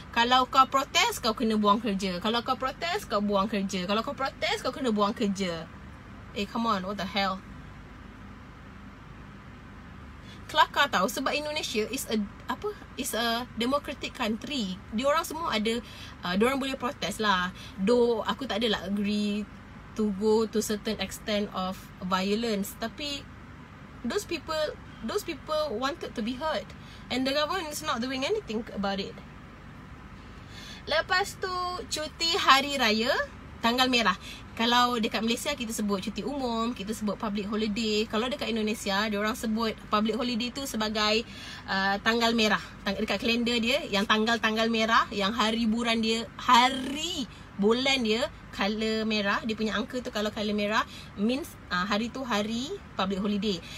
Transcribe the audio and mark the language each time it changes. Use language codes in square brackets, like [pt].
[ms] Kalau kau protes, kau kena buang kerja. Kalau kau protes, kau buang kerja. Kalau kau protes, kau kena buang kerja. [en] Come on, what the hell? [ms] Kelakar tau, sebab [en] Indonesia is a apa? Is a democratic country. [ms] Diorang semua ada, diorang boleh protest lah. [en] Though aku tak adalah agree to go to certain extent of violence, tapi those people wanted to be heard, and the government is not doing anything about it. [ms] Lepas tu, cuti hari raya tanggal merah. Kalau dekat Malaysia kita sebut cuti umum, kita sebut public holiday. Kalau dekat Indonesia, diorang sebut public holiday tu sebagai tanggal merah. Dekat kalender dia, yang tanggal-tanggal merah, yang hari buran dia, hari bulan dia color merah, dia punya angka tu kalau color merah means hari tu hari public holiday.